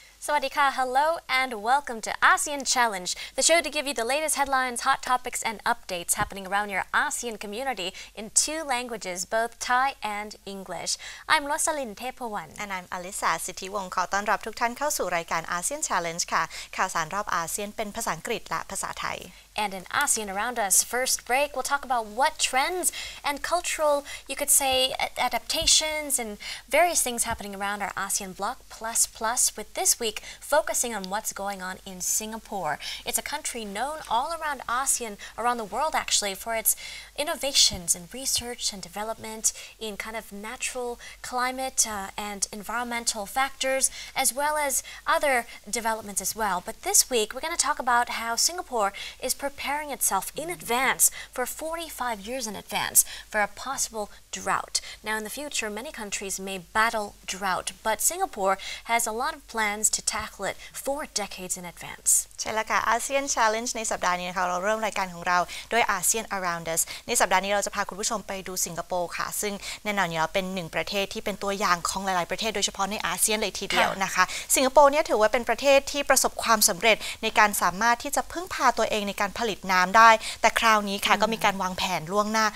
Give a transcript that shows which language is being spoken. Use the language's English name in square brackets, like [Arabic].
[Thai] สวัสดีค่ะ [English] Hello and welcome to ASEAN Challenge, the show to give you the latest headlines, hot topics, and updates happening around your ASEAN community in two languages, both Thai and English. I'm Rosalind Tepawan. And I'm Alyssa Sithiwong. [Thai] ขอต้อนรับทุกท่านเข้าสู่รายการ ASEAN Challenge ค่ะ ข่าวสารรอบอาเซียนเป็นภาษาอังกฤษและภาษาไทย [English] And in ASEAN around us, first break, we'll talk about what trends and cultural, you could say, adaptations and various things happening around our ASEAN block plus plus with this week focusing on what's going on in Singapore. It's a country known all around ASEAN, around the world actually, for its innovations and research and development in kind of natural climate and environmental factors, as well as other developments as well. But this week, we're going to talk about how Singapore is preparing itself in advance for 45 years in advance for a possible drought. Now in the future, many countries may battle drought, but Singapore has a lot of plans to tackle it four decades in advance. [Thai] ใช่แล้วค่ะ ASEAN Challenge ในสัปดาห์นี้นะคะเราเริ่มรายการของเราด้วย ASEAN Around Us. ในสัปดาห์นี้เราจะพาคุณผู้ชมไปดูสิงคโปร์ค่ะซึ่งแน่นอนอยู่แล้วเป็นหนึ่งประเทศที่เป็นตัวอย่างของหลายๆประเทศโดยเฉพาะในอาเซียนเลยทีเดียวนะคะสิงคโปร์เนี่ยถือว่าเป็นประเทศที่ประสบความสำเร็จในการสามารถที่จะพึ่งพาตัวเองในการผลิตน้ำได้แต่คราวนี้ค่ะก็มีการวางแผนล่วง